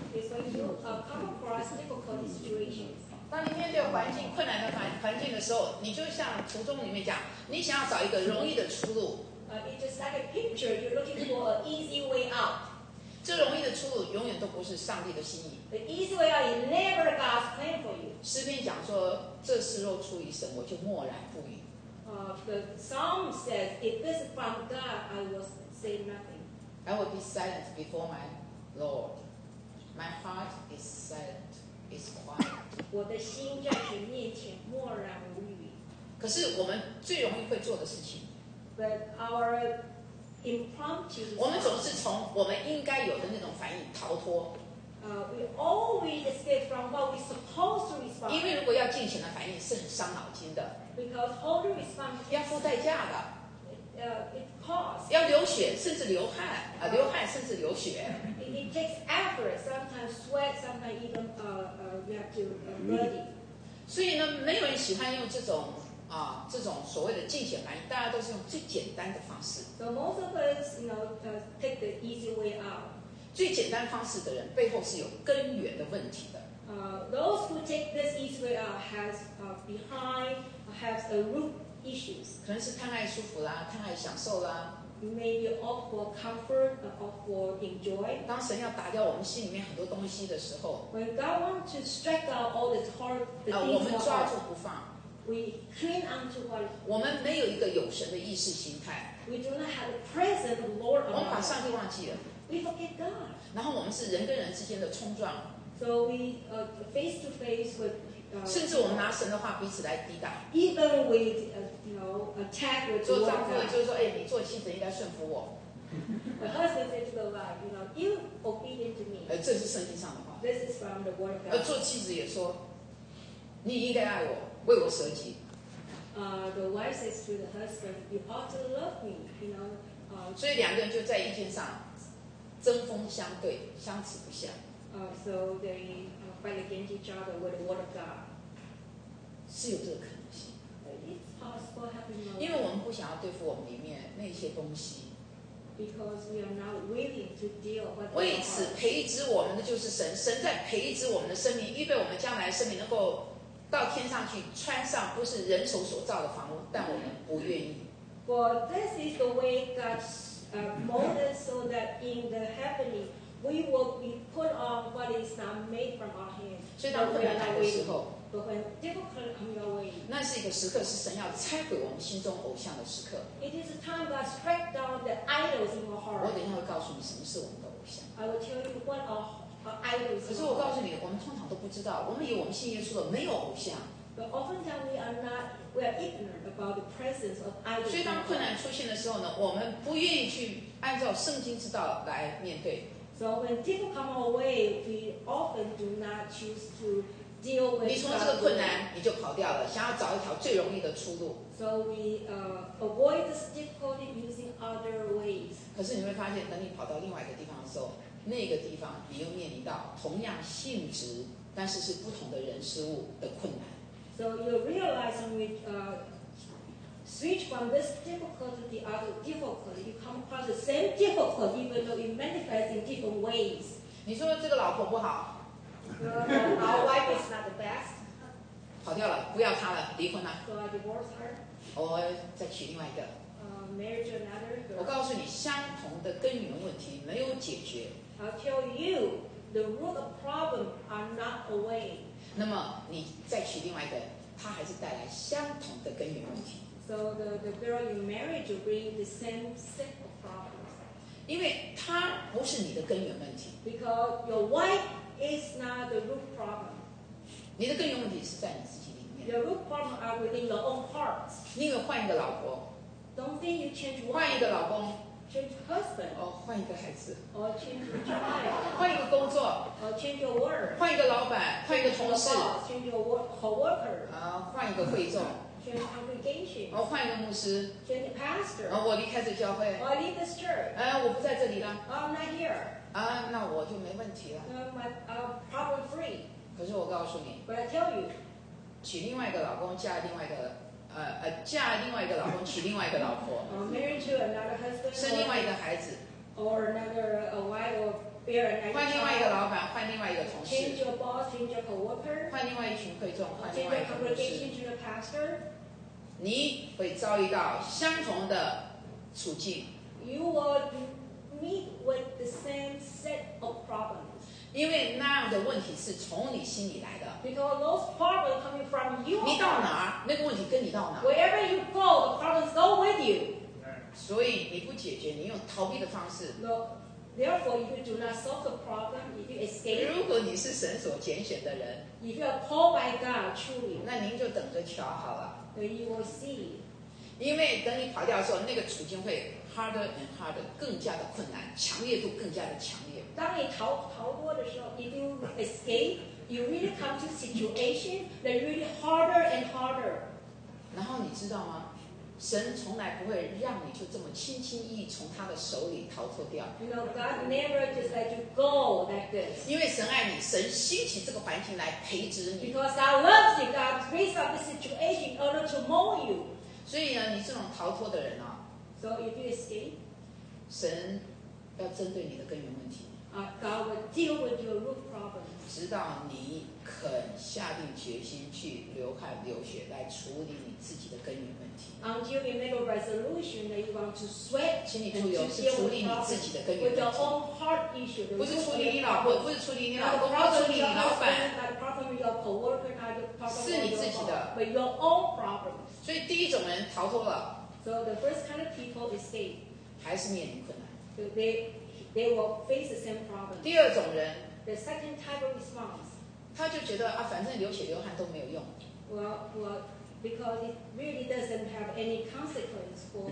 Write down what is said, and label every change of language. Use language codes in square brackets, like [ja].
[en] It's when you come across difficult situations [zh] 当你面对环境困难的 环境的时候你就像图中里面讲你想要找一个容易的出路 [en] It's just like a picture you're looking for an easy way out [zh] 这容易的出路永远都不是上帝的心意 [en] The easy way out is never God's plan for you [zh] 诗篇讲说这事若出于神我就默然不语 [en] The psalm says, if this is from God, I will say nothing. I will be silent before my Lord. My heart is silent, is quiet. [zh] 我的心在主面前默然无语。可是我们最容易会做的事情。 [en] But our impromptu. [zh] 我们总是从我们应该有的那种反应逃脱。 [en] We always escape from what we're supposed to respond. [zh] 因为如果要尽情的反应，是很伤脑筋的。 [en] Because holy response [zh] 要付代价的 [en] it costs [zh] 要流血甚至流汗、流汗甚至流血 [en] it takes effort sometimes sweat sometimes even you have to ready [zh] 所以呢没有人喜欢用这种这种所谓的尽血反应大家都是用最简单的方式 [en] so most of us you know take the easy way out [zh] 最简单方式的人背后是有根源的问题的 [en] those who take this easy way out has behind has a root issues [zh] 可能是贪爱舒服啦贪爱享受啦 [en] maybe opt for comfort opt for enjoy [zh] 当神要打掉我们心里面很多东西的时候 [en] when God wants to strike out all the hard things [zh] 我们抓住不放 [en] we cling on to what [zh] 我们没有一个有神的意识形态 [en] we do not have a present Lord [zh] 我们把上帝忘记了 [en] we forget God [zh] 然后我们是人跟人之间的冲撞 [en] So we face to face with, [zh] 甚至我们拿神的话彼此来抵挡。 [en] Even we, attack with. [zh] 做丈夫就是说，哎，你做妻子应该顺服我。 [en] The husband said to the wife, you know, you obedient to me. [zh] 这是圣经上的话。 [en] This is from the word of God. [zh] 做妻子也说，你应该爱我，为我舍己。 [en] The wife says to the husband, you ought to love me, you know. [zh] 所以两个人就在意见上针锋相对，相持不下。 [en] So they fight against each other with the word of God. [zh] 是有这个可能性。 [en] It's possible happening. [zh] 因为我们不想要对付我们里面那些东西。 [en] Because we are not willing to deal with. [zh] 为此培植我们的就是神，神在培植我们的生命，预备我们将来的生命能够到天上去，穿上不是人手所造的房屋，但我们不愿意。 [en] For this is the way God molded so that in the heavenly. We will be put on what is not made from our hands. [zh] 所以当困难来的时候 [en] ，But when difficult come your way, [zh] 那是一个时刻，是神要拆毁我们心中偶像的时刻。 [en] It is a time God strike down the idols in your heart. [zh] 我等一下会告诉你什么是我们的偶像。 [en] I will tell you what our idols. [zh] 可是我告诉你，我们通常都不知道，我们以我们信耶稣的没有偶像。 [en] But often times we are ignorant about the presence of idols. [zh] 所以当困难出现的时候呢，我们不愿意去按照圣经之道来面对。 [en] So when people come our way, we often do not choose to deal with. [zh] 你从这个困难你就跑掉了，想要找一条最容易的出路。 [en] So we avoid this difficulty using other ways. [zh] 可是你会发现，等你跑到另外一个地方的时候，那个地方你又面临到同样性质，但是是不同的人事物的困难。 [en] So you realize when we switch from this difficulty to the other difficulty, you come across the same difficulty, even though it manifests in different ways. [zh] 你说这个老婆不好 [en] our wife is not the best. [zh] 跑掉了，不要她了，离婚了。 [en] So I divorce her. [zh] 我再娶另外一个。 [en] Marry to another girl. [zh] 我告诉你，相同的根源问题没有解决。 [en] I'll tell you, the root of problem are not away. [zh] 那么你再娶另外一个，他还是带来相同的根源问题。 [en] So the girl you married will bring the same set of problems. [zh] 因为他不是你的根源问题。 [en] Because your wife is not the root problem. [zh] 你的根源问题是在你自己里面。 [en] Your root problem are within your own heart. [zh] 你有没有换一个老婆？ [en] Don't think you change one. [zh] 换一个老公。 [en] Change husband. [zh] 哦，换一个孩子。 [en] Or change your job. [zh] 换一个工作。 [en] Or change your work. [zh] 换一个老板，换一个同事。 [en] Change your boss. Change your co-worker. [zh] 啊，换一个会众。 [en] Change congregation. [zh] 哦，换一个牧师。 [en] Change pastor. [zh] 哦，我离开这教会。 [en] Or leave this church. [zh] 哎，我不在这里了。 [en] I'm not here. [zh] 啊，那我就没问题了。 [en] Problem free. [zh] 可是我告诉你。 [en] But I tell you. [zh] 娶另外一个老公，嫁另外一个。嫁另外一个老公，娶另外一个老婆。 [en] Marry to another husband. [zh] 生另外一个孩子。 [en] Or another a wife or bear another child. [zh] 换另外一个老板，换另外一个同事。 [en] Change your boss, change your coworker. [zh] 换另外一群会众，换另外一个牧师。 [en] Change your congregation to a pastor. [zh] 你会遭遇到相同的处境。 [en] You will meet with the same set of problems. [zh] 因为那样的问题是从你心里来的。 [en] Because those problems coming from you. [zh] 你到哪儿，那个问题跟你到哪儿。 [en] Wherever you go, the problems go with you. [zh] 所以你不解决，你用逃避的方式。 [en] No, therefore if you do not solve the problem, if you escape. [zh] 如果你是神所拣选的人。 [en] If you are called by God, truly. [zh] 那您就等着瞧好了。 [en] Then you will see. [zh] 因为等你跑掉的时候，那个处境会 [en] harder and harder, [zh] 更加的困难，强烈度更加的强烈。当你 逃脱的时候 [en] if you escape, you really come to a situation that really harder and harder. [zh] 然后你知道吗？神从来不会让你就这么轻轻易从他的手里逃脱掉。 [en] You know, God never just let you go like this. [zh] 因为神爱你，神兴起这个环境来培植你。 [en] Because God loves you, God raised up the situation in order to mold you. [zh] 所以呢，你这种逃脱的人啊。 [en] So if you escape, [zh] 神要针对你的根源问题。 [en] God will deal with your root problem. [zh] 直到你肯下定决心去流汗流血来处理你自己的根源问题。 [en] Until you make a resolution that you want to sweat, [zh] 请你注意，是处理你自己的根源问题。 [en] With your own heart issue, [zh] 不是处理你老婆，不是处理你老公，不是处理你老板，是你自己的。 [en] But your own problem. [zh] 所以第一种人逃脱了。 [en] So the first kind of people escape. [zh] 还是面临困难。 [en] They will face the same problem. [zh] 第二种人 [en] the second type of response. [zh] 他就觉得啊，反正流血流汗都没有用。 [en] Well, because it really doesn't have any consequence for